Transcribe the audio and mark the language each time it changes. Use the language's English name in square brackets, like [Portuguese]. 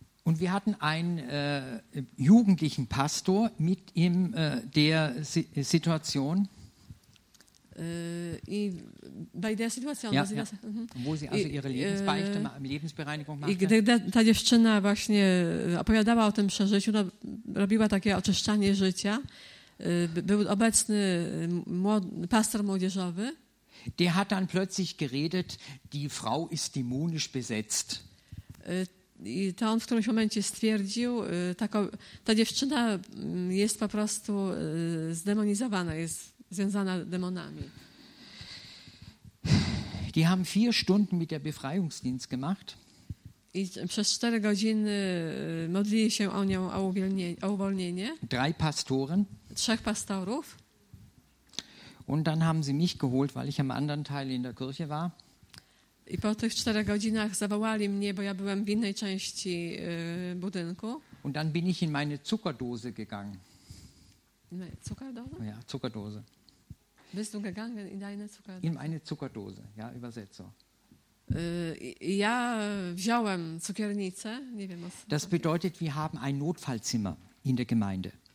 [German] Und wir hatten einen jugendlichen Pastor mit ihm der Situation. I bei der Situation, ja, sie ja. Wo sie also ihre Lebensbeichte, Lebensbereinigung machte. [Polish] I gdy ta dziewczyna właśnie opowiadała o tym przeżyciu, no, robiła takie oczyszczanie życia, był obecny pastor młodzieżowy. [German] Der hat dann plötzlich geredet, die Frau ist dämonisch besetzt. [Polish] I to on w którymś momencie stwierdził, ta dziewczyna jest po prostu zdemonizowana, jest związana demonami. [German] Die haben 4 Stunden mit der Befreiungsdienst gemacht. [Polish] I przez 4 godziny modlili się o nią o uwolnienie. [German] Drei Pastoren. [Polish] 3 pastorów. [German] Und dann haben sie mich geholt, weil ich am anderen Teil in der Kirche war. [Polish] I po tych 4 godzinach zawołali mnie, bo ja byłem w innej części budynku. [German] Und dann bin ich in meine Zuckerdose gegangen. Zuckerdose? Ja, Zuckerdose. Bist du gegangen in deine Zuckerdose? In meine Zuckerdose, ja, übersetzt so. [Polish] Ja wziąłem cukiernicę, nie wiem, [German] was. Das bedeutet, wir haben ein Notfallzimmer in der Gemeinde.